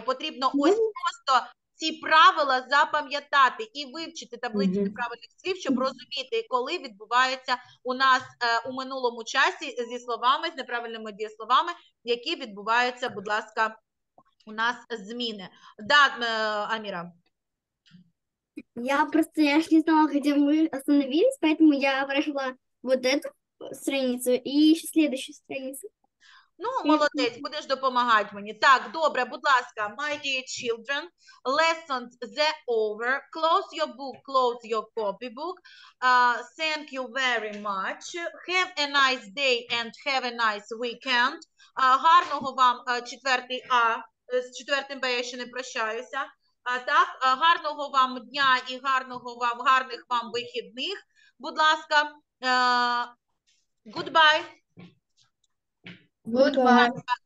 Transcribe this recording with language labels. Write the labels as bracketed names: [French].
[Ukrainian] Потрібно ось просто ці правила запам'ятати і вивчити таблицю правильних слів, щоб розуміти, коли відбувається у нас у минулому часі зі словами, з неправильними дієсловами, які відбуваються, будь ласка, у нас зміни. Так, Аміра. Я ж не знала, де ми [Russian] остановились, поэтому я прийшла вот эту страницу і ще следующую страницу. [Ukrainian] Ну, молодець, будеш допомагати мені. Так, добре, будь ласка, [English] my dear children, lessons are over. Close your book, close your copybook. Thank you very much. Have a nice day and have a nice weekend. [Ukrainian] Гарного вам 4А, з 4Б я ще не прощаюся. Так, гарного вам дня і гарного вам, гарних вам вихідних. Будь ласка, goodbye. [English] Goodbye.